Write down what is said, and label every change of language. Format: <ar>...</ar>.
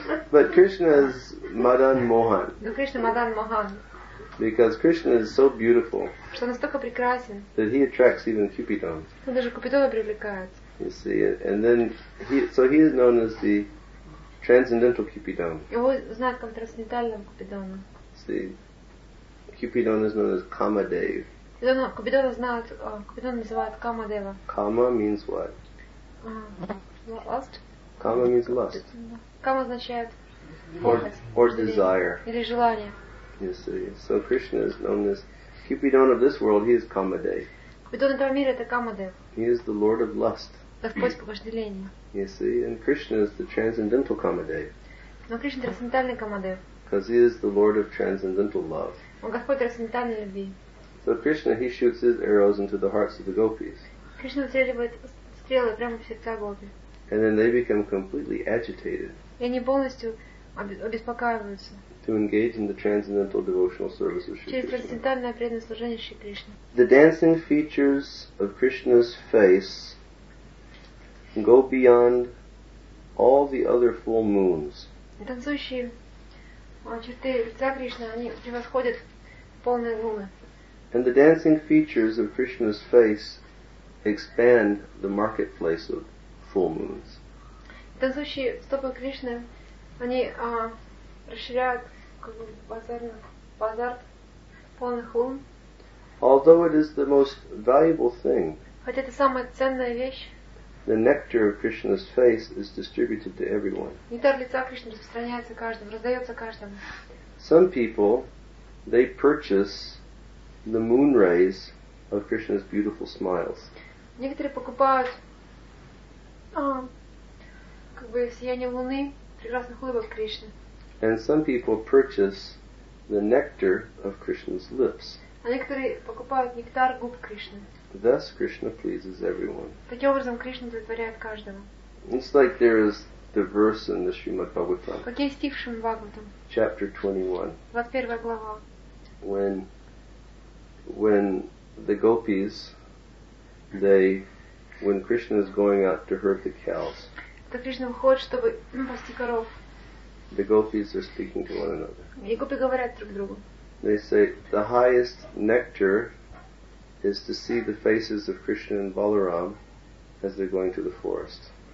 <en>But Krishna is Madan Mohan.</en> <ru>Но Кришна Мадан Мохан.</ru> <en>Because Krishna is so beautiful.</en> <ru>Что он настолько прекрасен.</ru> <en>That he attracts even Cupidon.</en> <ru>Он даже Купидона привлекает.</ru> <en>You see, and then he is known as the transcendental Cupidon.</en> <ru>Его знают как трансцендентального Купидона.</ru> <en>See, Cupidon is known as Kamadev.</en> <ru>Купидона знают, Купидона называют Камадева.</ru> <en>Кама means what? Lust. Кама means lust.</en> <ru>Кама означает</ru> <en>or desire.</en> <ru>Или желание.</ru> <en>You see. So Krishna is known as Cupidon of this world, he is Камадев.</en> <ru>Купидон этого мира это Камадев.</ru> <en>He is the Lord of Lust.</en> <ru>Господь побуждения.</ru> <en>You see, and Krishna is the transcendental Камадев.</en> <ru>Но Кришна трансцендентальный Камадев.</ru> <en>Because he is the Lord of transcendental love.</en> <ru>Он Господь трансцендентальной любви.</ru> <en>So Krishna, he shoots his arrows into the hearts of the gopis.</en> <ru>Krishna стреливает стрелы прямо в сердца гопи.</ru> <en>And then they become completely agitated.</en> <ru>И они полностью обеспокаиваются.</ru> <en>To engage in the transcendental devotional service of Shri Krishna.</en> <ru>Через трансцендентальное преданное служение Шри Кришне.</ru> <en>The dancing features of Krishna's face go beyond all the other full moons.</en> <ru>Танцующие черты лица Кришны, они превосходят полные луны.</ru> <en>And the dancing features of Krishna's face expand the marketplace of full moons.</en> <ru>Танцующие стопы Кришны, они расширяют как бы базар полных лун.</ru> <en>Although it is the most valuable thing.</en> <ru>Хотя это самая ценная вещь.</ru> <en>the nectar of Krishna's face is distributed to everyone.</en> <ru>Нектар лица Кришны распространяется каждому, раздается каждому.</ru> <en>Some people, they purchase the moon rays of Krishna's beautiful smiles.</en> <ru>Некоторые покупают как бы сияние луны, прекрасных улыбок Кришны.</ru> <en>And some people purchase the nectar of Krishna's lips.</en> <ru>А некоторые покупают нектар губ Кришны.</ru> <en>Thus Krishna pleases everyone.</en> <ru>Таким образом Кришна удовлетворяет каждого.</ru> <en>It's like there is the verse in the Srimad Bhagavatam.</en> <ru>Как есть стих в Шримад Бхагаватам.</ru> <en>Chapter 21.</en> <ru>21 глава.</ru> <en>When the gopis, when Krishna is going out to herd the cows.</en> <ru>Когда Кришна выходит, чтобы пасти коров.</ru> <en>The gopis are speaking to one another.</en> <ru>И гопи говорят друг другу.</ru> <en>They say the highest nectar is to see the faces of Krishna and Balaram as they're going to the forest.</en>